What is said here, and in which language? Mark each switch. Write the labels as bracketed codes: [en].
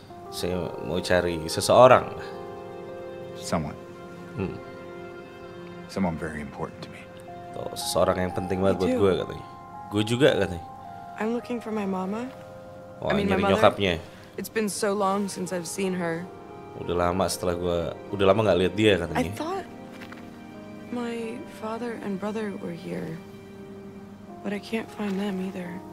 [id] Saya mau cari seseorang. [en] Someone. Someone very important to me. [id] Seseorang yang penting banget buat gue katanya. Gue juga katanya. [en] I'm looking for my mama. [id] Oh, [en] I mean, [id] nyari nyokapnya. [en] It's been so long since I've seen her. [id] Udah lama setelah gue, udah lama nggak lihat dia katanya. [en] I thought my father and brother were here, but I can't find them either.